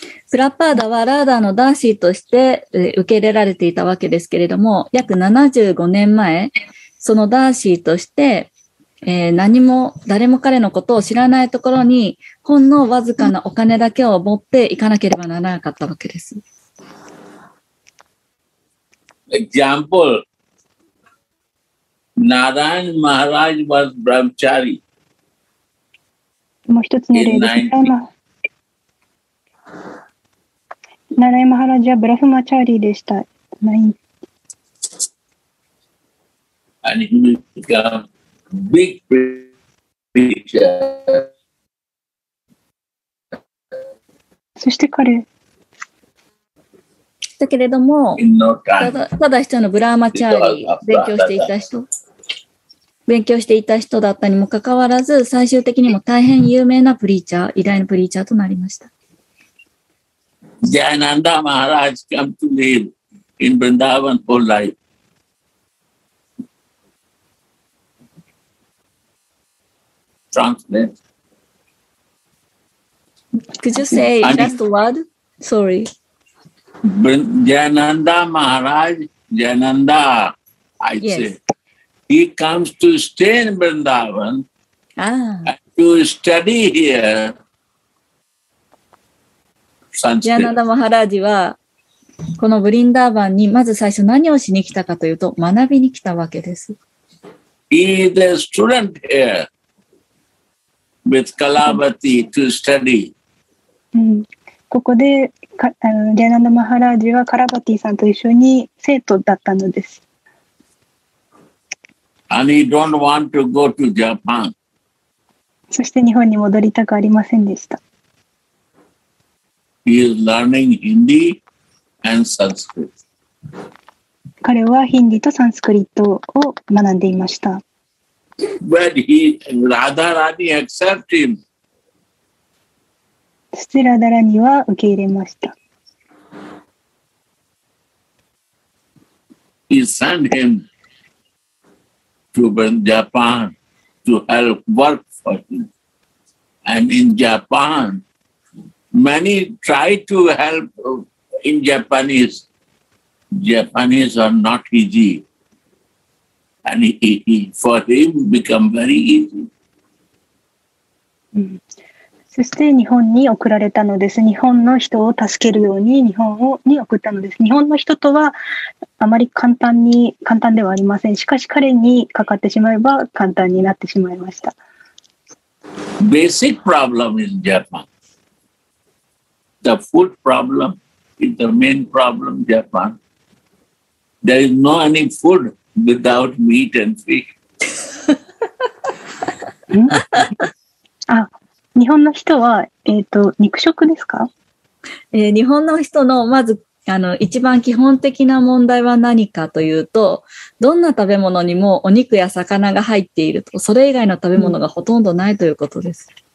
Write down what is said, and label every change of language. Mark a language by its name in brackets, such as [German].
[Japanese] プラッパーダはラーダーのダーシーとして受け入れられていたわけですけれども、約75年前、そのダーシーとして、何も誰も彼のことを知らないところにほんのわずかなお金だけを持って行かなければならなかったわけです。 [English] Example: Narayan Maharaj was brahmachari. [Japanese] もう一つの例です。 Narayan Maharaj はブラフマチャーリーでした。 [English] And he became big preacher. [Japanese] そして彼だけれどもただ人のブラーマチャーリー勉強していた人勉強していた人だったにもかかわらず最終的にも大変有名なプリーチャー偉大なプリーチャーとなりました。 [English] ジャイナンダマハラジ came to live in Vrindavan for life. Translate. Could you say just word? Sorry. Jayananda Maharaj, Jayananda, say. He comes to stay in Vrindavan to study here. [Japanese] ジャナダマハラージはこのブリンダーバンにまず最初何をしに来たかというと学びに来たわけです。 [English] He is a student here with Kalavati to study、 [Japanese] うん、ここでジャナダマハラージはカラバティさんと一緒に生徒だったのです。 [English] And he don't want to go to Japan。 [Japanese] そして日本に戻りたくありませんでした。 [English] He is learning Hindi and Sanskrit. [Japanese] 彼はヒンディとサンスクリットを学んでいました。 [English] But he, Radharani accepted him. [Japanese] そしてラダラニは受け入れました。 [English] He sent him to Japan to help work. And in Japan, many try to help in Japanese. Japanese are not easy. And he, for him, become very easy. [Japanese] そして日本に送られたのです。日本の人を助けるように日本に送ったのです。日本の人とはあまり簡単ではありません。しかし彼にかかってしまえば簡単になってしまいました。 [English] Basic problem in Japan. The food problem is the main problem in Japan. There is no any food without meat and fish. [Japanese] 日本の人は、肉食ですか？日本の人のまず一番基本的な問題は何かというと、どんな食べ物にもお肉や魚が入っていると、それ以外の食べ物がほとんどないということです。